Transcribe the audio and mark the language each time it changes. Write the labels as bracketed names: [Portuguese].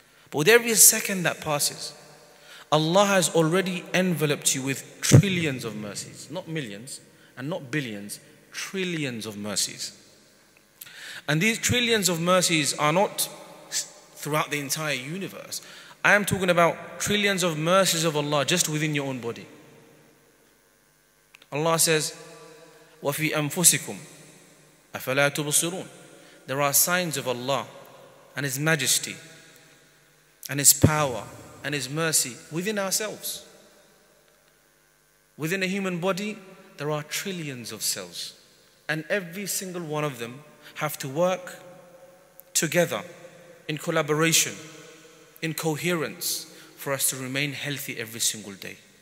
[English] But with every second that passes, Allah has already enveloped you with trillions of mercies. Not millions and not billions, trillions of mercies. And these trillions of mercies are not throughout the entire universe. I am talking about trillions of mercies of Allah just within your own body. Allah says, [Arabic] وَفِي أَنفُسِكُمْ أَفَلَا تُبْصِرُونَ. [English] There are signs of Allah and His majesty and His power and His mercy within ourselves. Within a human body, there are trillions of cells. And every single one of them have to work together in collaboration, in coherence for us to remain healthy every single day.